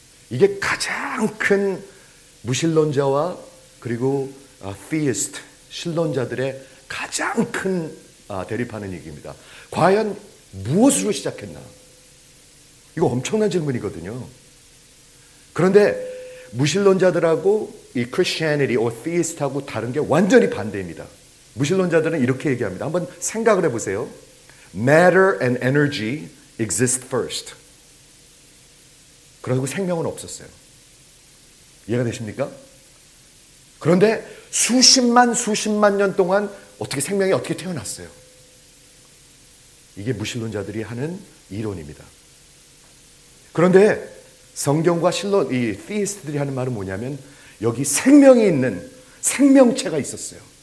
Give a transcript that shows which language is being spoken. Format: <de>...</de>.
<ko>이게 가장 큰 무신론자와 그리고 theist, 신론자들의 가장 큰 대립하는 얘기입니다. 과연 무엇으로 시작했나? 이거 엄청난 질문이거든요. 그런데 무신론자들하고 이</ko> <en>Christianity or theist</en> <ko>하고 다른 게 완전히 반대입니다. 무신론자들은 이렇게 얘기합니다. 한번 생각을 해보세요.</ko> <en>Matter and energy exist first.</en> <ko>그리고 생명은 없었어요. 이해가 되십니까? 그런데 수십만 년 동안 어떻게 생명이 어떻게 태어났어요? 이게 무신론자들이 하는 이론입니다. 그런데 성경과 신론, 이 theist들이 하는 말은 뭐냐면 여기 생명이 있는 생명체가 있었어요.</ko>